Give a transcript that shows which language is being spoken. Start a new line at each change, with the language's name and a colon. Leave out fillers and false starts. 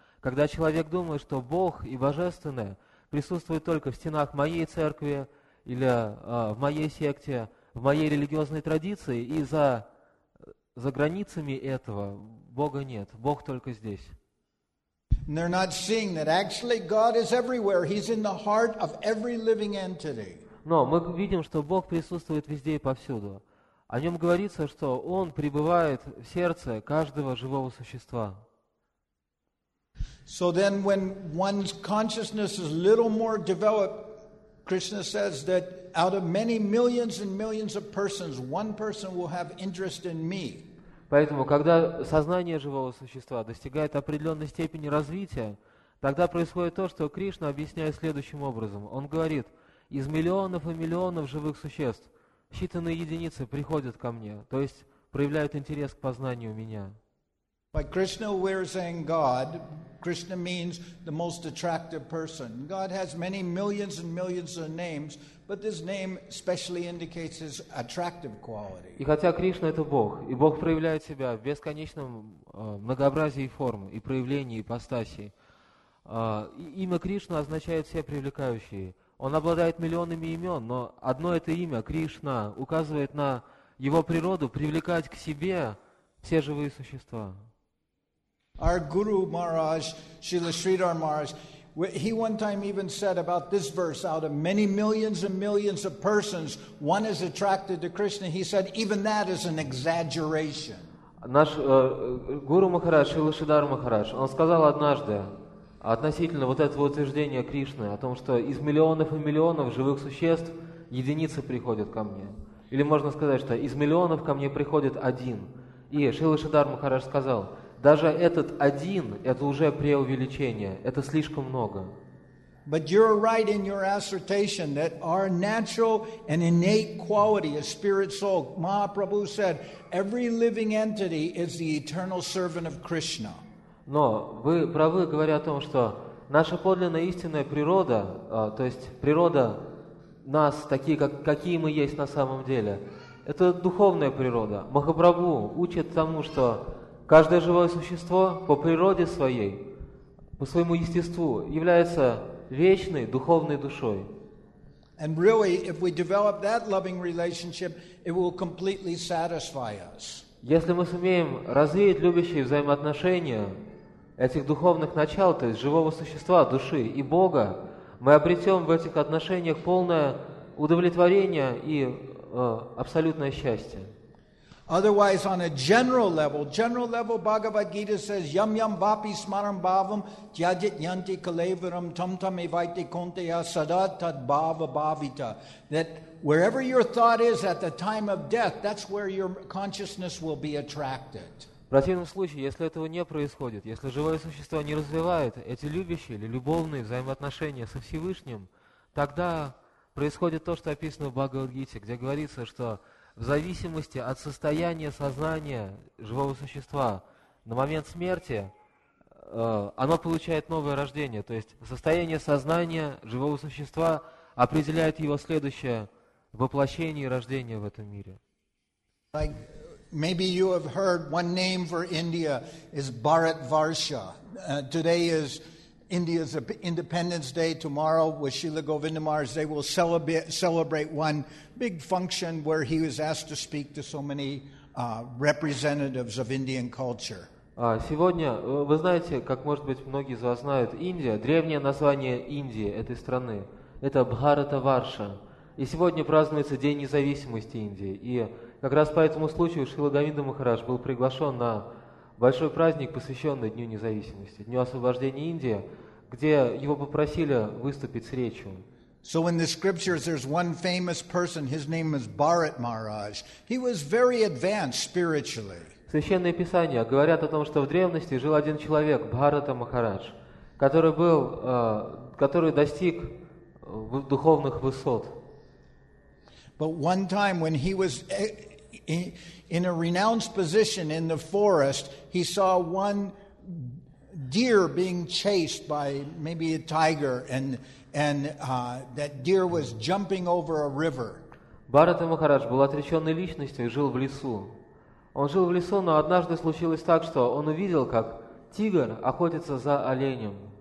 Russian: Когда человек думает, что Бог и Божественное присутствуют только в стенах моей церкви или в моей секте, в моей религиозной традиции, и за границами этого Бога нет. Бог только здесь. Но мы видим, что Бог присутствует везде и повсюду. О нем говорится, что Он пребывает в сердце каждого живого существа.
English: So then when one's consciousness is a little more developed, Krishna says that out of many millions and millions of persons, one person will have interest in me.
Russian: Поэтому, когда сознание живого существа достигает определенной степени развития, тогда происходит то, что Кришна объясняет следующим образом. Он говорит, из миллионов и миллионов живых существ считанные единицы приходят ко мне, то есть проявляют интерес к познанию меня.
English: By Krishna, we're saying God. Krishna means the most attractive person. God has many millions and millions of names, but this name specially indicates his attractive quality.
Russian: И хотя Кришна это Бог, и Бог проявляет себя в бесконечном многообразии форм и проявлений ипостаси, имя Кришна означает все привлекающие. Он обладает миллионами имен, но одно это имя Кришна указывает на его природу привлекать к себе все живые существа.
English: Our Guru Maharaj, Srila Sridhar Maharaj, he one time even said about this verse, out of many millions and millions of persons, one is attracted to Krishna. He said, even that is an exaggeration.
Russian: Наш Гуру Махарадж, Шрила Шридхар Махарадж, он сказал однажды относительно вот этого утверждения Кришны о том, что из миллионов и миллионов живых существ единицы приходят ко мне. Или можно сказать, что из миллионов ко мне приходит один. И Шрила Шридхар Махарадж сказал, даже этот один – это уже преувеличение, это слишком много.
English: But you're right in your assertion that our natural and innate quality is spirit soul. Mahaprabhu said, every living entity is the eternal servant of Krishna.
Russian: Но вы правы, говоря о том, что наша подлинная истинная природа, то есть природа нас, такие, какие мы есть на самом деле, это духовная природа. Махапрабху учит тому, что каждое живое существо по природе своей, по своему естеству, является вечной духовной душой.
English: And really, if we develop that loving relationship, it will completely satisfy us.
Russian: Если мы сумеем развить любящие взаимоотношения этих духовных начал, то есть живого существа, души и Бога, мы обретем в этих отношениях полное удовлетворение и абсолютное счастье.
English: Otherwise, on a general level, Bhagavad Gita says,
Sanskrit: "Yam yam vapi smaram bhavam, jyajit yanti kalevaram, tam tam evaiti konteya sadat tad bhava bhavita."
English: That wherever your thought is at the time of death, that's where your consciousness will be attracted.
Russian: В противном случае, если этого не происходит, если живое существо не развивает эти любящие или любовные взаимоотношения со Всевышним, тогда происходит то, что описано в Бхагавад-гите, где говорится, что в зависимости от состояния сознания живого существа на момент смерти оно получает новое рождение. То есть состояние сознания живого существа определяет его следующее воплощение и рождение в этом мире.
English: Maybe you have heard one name for India is Bharat Varsha. Today is India's Independence Day. Tomorrow, with Srila Govinda Maharaj, they will celebrate one big function where he was asked to speak to so many representatives of Indian culture.
Russian: Сегодня, вы знаете, как, может быть, многие из вас знают, Индия, древнее название Индии, этой страны, это Бхарата Варша. И сегодня празднуется День независимости Индии. И как раз по этому случаю Шрила Говинда Махарадж был приглашен на большой праздник, посвященный Дню Независимости, Дню Освобождения Индии, где его попросили выступить с речью.
English: So in the scriptures there's one famous person, his name is Bharat Maharaj. He was very advanced spiritually.
Russian: Священные писания говорят о том, что в древности жил один человек, Бхарата Махарадж, который достиг духовных высот.
English: But one time when he was in a renounced position in the forest, he saw one deer being chased by maybe a tiger, and that deer was jumping over a river.
Russian: Бхарата Махарадж был отреченной личностью и жил в лесу. Он жил в лесу, но однажды случилось так, что он увидел, как тигр охотится за оленем.